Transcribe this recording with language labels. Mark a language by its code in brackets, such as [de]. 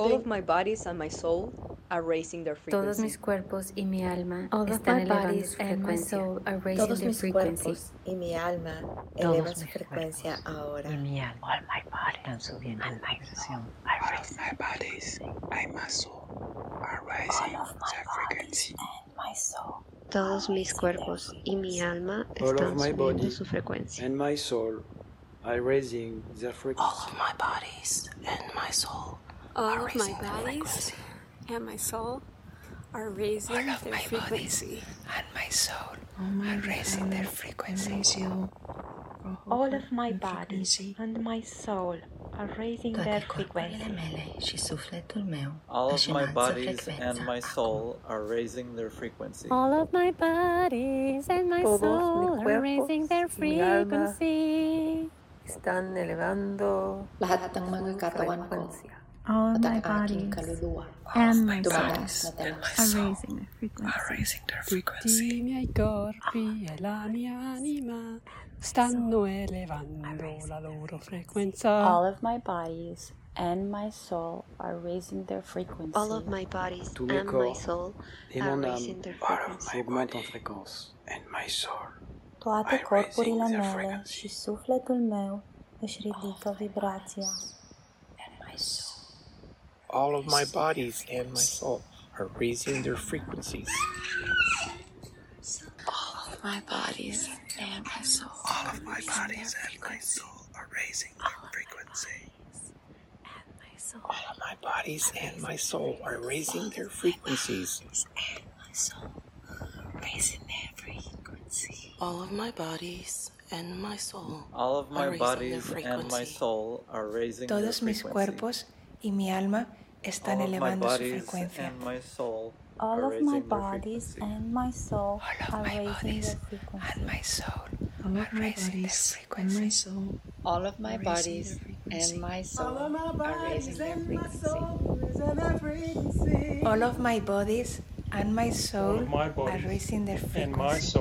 [en] All of my bodies and my soul are raising their frequency. [es] Todos mis cuerpos y mi alma están elevando su frecuencia. [en] All of my bodies and my soul are raising their frequency. [es] Todos mis cuerpos y mi alma elevan su frecuencia ahora. Y mi alma. [en] All my bodies and [es] subiendo la vibración. [en] All of my bodies and my soul are raising their frequency. All of my bodies and my soul. [es] Todos mis cuerpos y mi alma están subiendo su frecuencia. [en] And my soul are raising their frequency. All of my bodies and my soul are raising their frequency. All of my bodies and my soul are raising their frequency. And my soul are raising their frequency. All of my bodies and my soul are raising their frequency. All of my bodies and my soul are raising their frequency. All of my bodies and my soul are raising their frequency. [es] Están elevando la frecuencia. [en] All of my bodies and my soul are raising their frequency. [it] Tutti i miei corpi e la mia anima stanno elevando la loro frequenza. [en] All of my bodies and my soul are raising their frequency. All of my bodies and my soul are raising their frequency. All of my bodies and my soul are raising their frequency. All of my bodies and my soul are raising their frequency. All of my bodies and my soul are raising their frequencies. All of my bodies and my soul. All of my bodies and my soul are raising their frequency. All of my bodies and my soul are raising their frequencies. All of my bodies and my soul. All of my bodies and my soul are raising their frequency. [es] Todos mis cuerpos y mi alma están elevando su frequencia. [en] And my soul. All of my bodies and my soul are raising their frequency. And my soul. All of my bodies and my soul. All of my bodies and my soul. All of my bodies and my soul are raising their frequency.